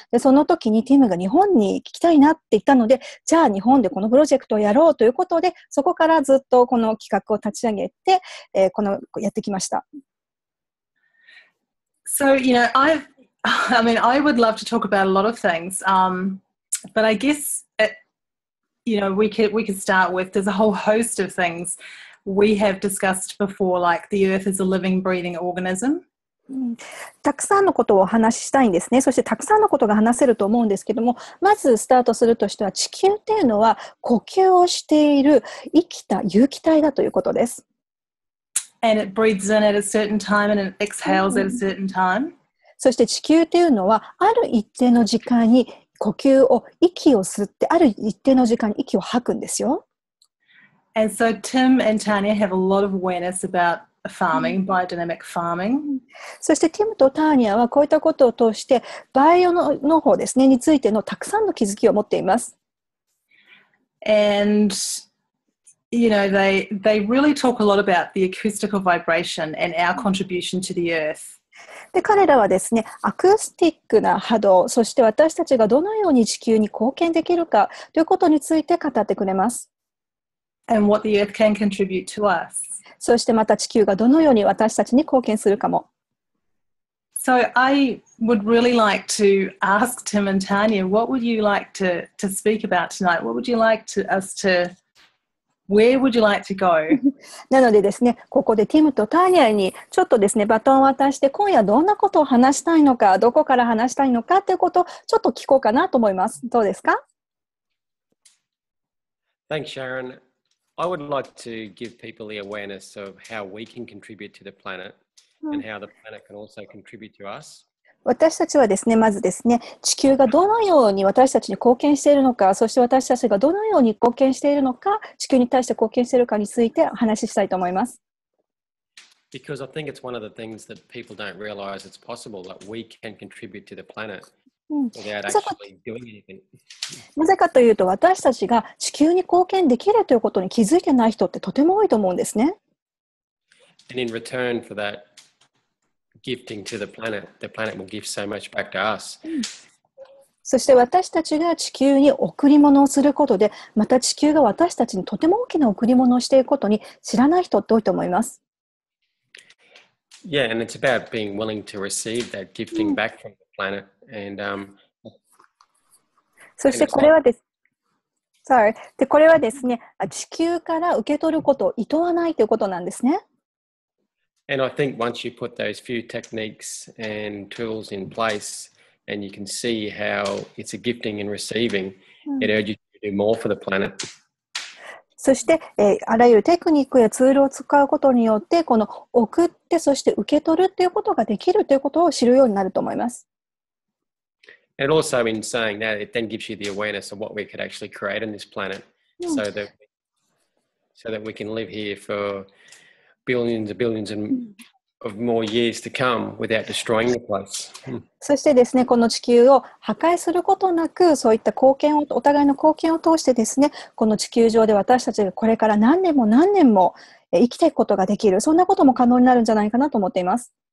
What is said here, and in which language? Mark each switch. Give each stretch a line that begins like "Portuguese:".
Japanese: で、その時に Tim が日本に行きたいなって言ったので、じゃあ日本でこのプロジェクトをやろうということで、そこからずっとこの企画を立ち上げて、このやってきました。
English: So, you know, I would love to talk about a lot of things, but I guess you know, we could start with, there's a whole host of things we have discussed before, like the earth is a living, breathing organism.
Japanese: たくさんのことをお話ししたいんですね。そしてたくさんのことが話せると思うんですけども、まずスタートするとしては、地球っていうのは呼吸をしている生きた有機体だということです。
English: And it breathes in at a certain time and it exhales at a certain time.
Japanese: そして地球っていうのは、ある一定の時間に呼吸を息を吸ってある一定の時間に息を吐くんですよ。
English: And so Tim and Tanya have a lot of awareness about farming, biodynamic farming.
Japanese: そして Tim と Tanya はこういったことを通してバイオ農法ですねについてのたくさんの気づきを持っています。
English: And you know they really talk a lot about the acoustical vibration and our contribution to the earth.
Japanese: で、彼らはですね、アクスティックな波動、そして私たちがどのように地球に貢献できるかということについて語ってくれます。
English: And what the earth can contribute to us.
Japanese: そしてまた地球がどのように私たちに貢献するかも。
English: So I would really like to ask Tim and Tanya, what would you like to speak about tonight? What would you like to, us to... Where would you like to go?
Japanese: なのでですね、ここでティムとターニアにちょっとですね、バトンを渡して、今夜どんなことを話したいのか、どこから話したいのかということをちょっと聞こうかなと思います。どうですか?
English: Thanks, Sharon. I would like to give people the awareness of how we can contribute to the planet and how the planet can also contribute to us.
Japanese: 私たちはですね、まずですね、地球がどのように私たちに貢献しているのか、そして私たちがどのように貢献しているのか、地球に対して貢献しているかについてお話ししたいと思います。
English: Because I think it's one of the things that people don't realize it's possible that we can contribute to the planet without actually doing anything.
Japanese: なぜかというと、私たちが地球に貢献できるということに気づいてない人ってとても多いと思うんですね。
English: And in return for thatGifting to the planet. The planet will give so much back to us.
Japanese: そして私たちが地球に贈り物をすることで、また地球が私たちにとても大きな贈り物をしていくことに知らない人って多いと思います。
English: Yeah, and it's about being willing to receive that gifting back from the planet. And,
Japanese: そしてこれはです。
English: Sorry.
Japanese: で、これはですね、地球から受け取ることを厭わないということなんですね。
English: And I think once you put those few techniques and tools in place, and you can see how it's a gifting and receiving, it urges you to do more for the planet.
Japanese: そして、あらゆるテクニックやツールを使うことによって、この送って、そして受け取るということができるということを知るようになると思います。
English: And also in saying that, it then gives you the awareness of what we could actually create on this planet, so that we can live here for... billions and billions of more years to come without destroying the place.
Japanese: そしてですね、この地球を破壊することなく、そういった貢献を、お互いの貢献を通してですね、この地球上で私たちがこれから何年も何年も生きていくことができる、そんなことも可能になるんじゃないかなと思っています。